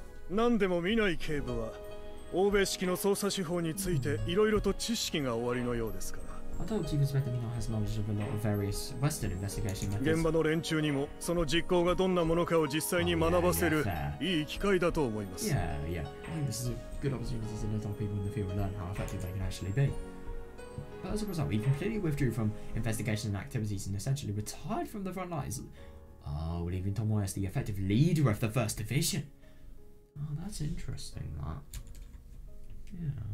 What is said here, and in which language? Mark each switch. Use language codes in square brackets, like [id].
[ja] 何でも見ない警部は欧米式の捜査手法についていろいろと知識がおありのようですから。 [en] I thought you expected me not to have knowledge of a lot of various Western investigation methods. [ja] 現場の連中にもその実行がどんなものかを実際に学ばせるいい機会だと思います。 [en] Yeah, I think this is a good opportunity to let people in the field learn how effective they can actually be. But as a result, he completely withdrew from investigation and activities and essentially retired from the front lines. Oh, leaving Tomoe as the effective leader of the first division. Oh, that's interesting, that. Yeah.